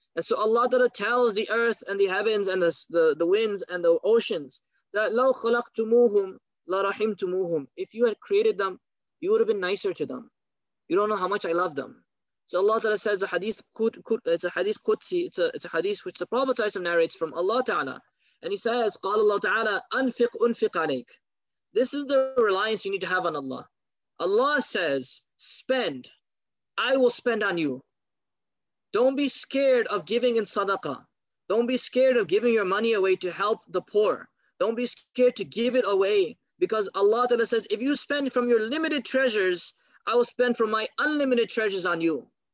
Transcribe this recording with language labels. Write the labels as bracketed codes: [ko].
[en] And so Allah Ta'ala tells the earth and the heavens and the winds and the oceans that [ar] لَوْ خَلَقْتُمُوهُمْ لَرَحِمْتُمُوهُمْ. [en] If you had created them, you would have been nicer to them. You don't know how much I love them. So Allah Ta'ala says a hadith, it's a hadith Qudsi, it's a hadith which the Prophet narrates from Allah Ta'ala. And he says, [ar] قَالَ اللَّهُ تَعَالَىٰ أَنْفِقْ أُنْفِقْ عَلَيْكَ. [en] This is the reliance you need to have on Allah. Allah says, spend, I will spend on you. Don't be scared of giving in sadaqah. Don't be scared of giving your money away to help the poor. Don't be scared to give it away. Because Allah Ta'ala says, if you spend from your limited treasures, I will spend from my unlimited treasures on you.